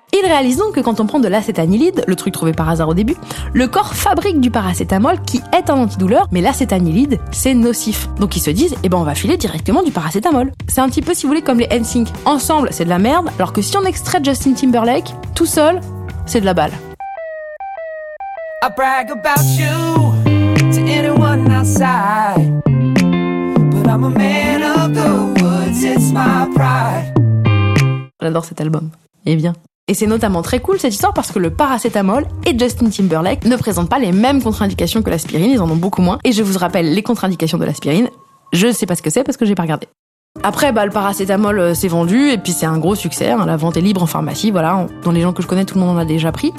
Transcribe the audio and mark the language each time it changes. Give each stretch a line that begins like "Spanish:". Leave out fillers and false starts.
French: Ils réalisent donc que quand on prend de l'acétanilide, le truc trouvé par hasard au début, le corps fabrique du paracétamol qui est un antidouleur, mais l'acétanilide, c'est nocif. Donc ils se disent, eh ben on va filer directement du paracétamol. C'est un petit peu, si vous voulez, comme les NSYNC. Ensemble, c'est de la merde, alors que si on extrait Justin Timberlake, tout seul, c'est de la balle.
English: I brag about you to anyone outside, but I'm a man of the woods, it's my pride.
French: J'adore cet album. Eh bien. Et c'est notamment très cool cette histoire parce que le paracétamol et Justin Timberlake ne présentent pas les mêmes contre-indications que l'aspirine, ils en ont beaucoup moins. Et je vous rappelle les contre-indications de l'aspirine, je sais pas ce que c'est parce que j'ai pas regardé. Après, bah, le paracétamol s'est vendu et puis c'est un gros succès, hein, la vente est libre en pharmacie, voilà, dans les gens que je connais, tout le monde en a déjà pris.